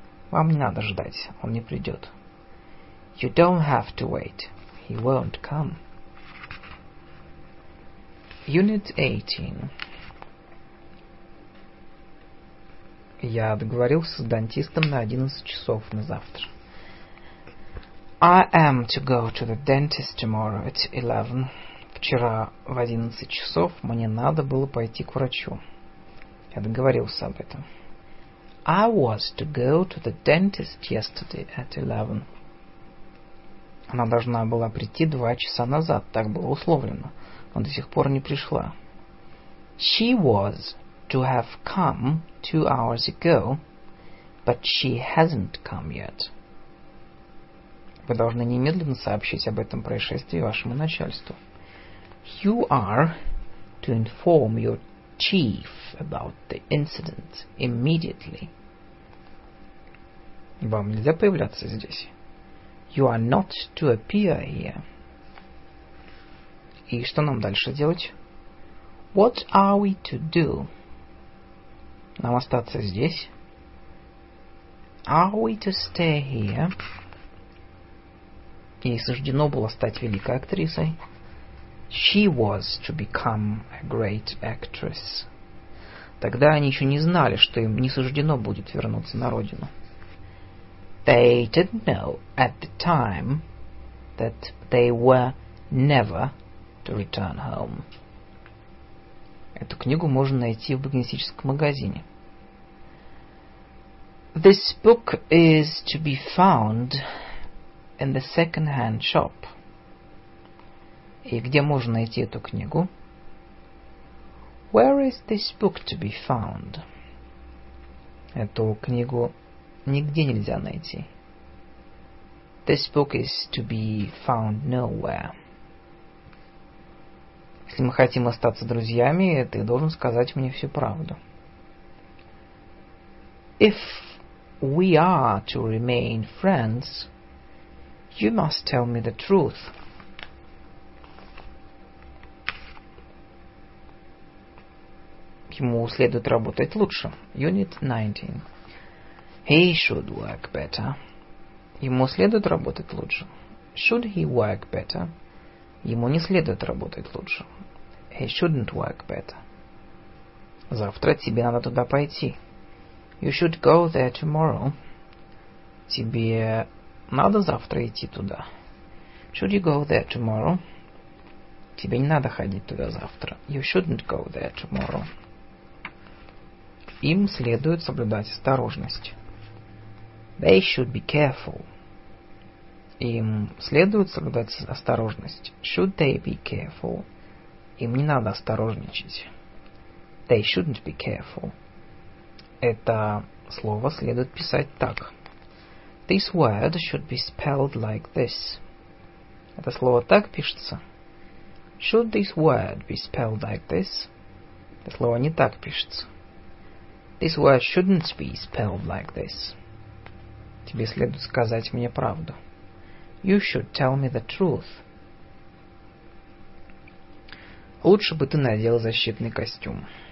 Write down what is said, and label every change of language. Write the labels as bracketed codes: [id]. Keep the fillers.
[ru] Вам не надо ждать, он не придет. [en] You don't have to wait, he won't come. [ru] Unit 18 Я договорился с дантистом на 11 часов на завтра. [en] I am to go to the dentist tomorrow at 11. [ru] Вчера в 11 часов мне надо было пойти к врачу. Я договорился об этом. [en] I was to go to the dentist yesterday at 11. [ru] Она должна была прийти два часа назад, так было условлено, но до сих пор не пришла. [en] She was to have come two hours ago, but she hasn't come yet. [ru] Вы должны немедленно сообщить об этом происшествии вашему начальству. [en] You are to inform your chief about the incident immediately. [ru] Вам нельзя появляться здесь. [en] You are not to appear here. [ru] И что нам дальше делать? [en] What are we to do? [ru] Нам остаться здесь? [en] Are we to stay here? [ru] Ей суждено было стать великой актрисой. [en] She was to become a great actress. [ru] Тогда они еще не знали, что им не суждено будет вернуться на родину. [en] They didn't know at the time that they were never to return home. [ru] Эту книгу можно найти в букинистическом магазине. [en] This book is to be found in the second-hand shop. [ru] И где можно найти эту книгу? [en] Where is this book to be found? [ru] Эту книгу нигде нельзя найти. [en] This book is to be found nowhere. [ru] Если мы хотим остаться друзьями, ты должен сказать мне всю правду. [en] If we are to remain friends, you must tell me the truth. [ru] ему следует работать лучше. [en] Unit 19. He should work better. [ru] Ему следует работать лучше. [en] Should he work better? [ru] Ему не следует работать лучше. [en] He shouldn't work better. [ru] Завтра тебе надо туда пойти. [en] You should go there tomorrow. [ru] Тебе надо завтра идти туда. [en] Should you go there tomorrow? [ru] Тебе не надо ходить туда завтра. [en] You shouldn't go there tomorrow [ru] им следует соблюдать осторожность. [en] They should be careful. [ru] Им следует соблюдать осторожность. [en] Should they be careful? [ru] Им не надо осторожничать. [en] They shouldn't be careful. [ru] Это слово следует писать так. [en] This word should be spelled like this. [ru] Это слово так пишется. [en] Should this word be spelled like this? [ru] Это слово не так пишется. [en] This word shouldn't be spelled like this. [ru] Тебе следует сказать мне правду. [en] You should tell me the truth. [ru] Лучше бы ты надел защитный костюм.